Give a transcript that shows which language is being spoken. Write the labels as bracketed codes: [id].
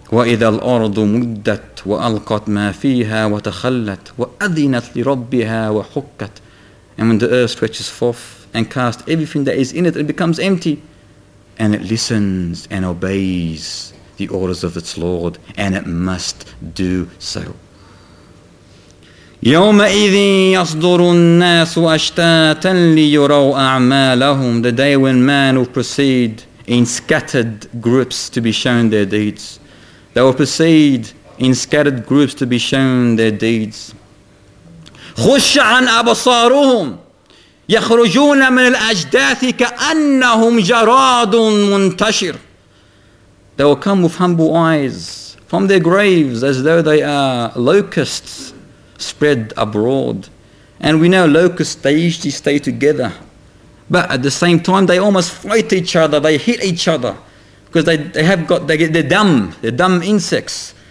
[ar] وإذا الأرض مدت وألقت ما فيها وتخلت وأذنت لربها وحكت. [en] And when the earth stretches forth and casts everything that is in it, it becomes empty. And it listens and obeys the orders of its Lord, and it must do so. [ar] يومئذ يصدر الناس أشتاتا ليروا أعمالهم. [en] The day when man will proceed in scattered groups to be shown their deeds. They will proceed in scattered groups to be shown their deeds. [ar] خش عن أبصارهم يخرجون من الأجداث كأنهم جراد منتشر. [en] They will come with humble eyes from their graves as though they are locusts spread abroad. And we know locusts, they usually stay together. But at the same time, they almost fight each other. They hit each other because they're dumb insects.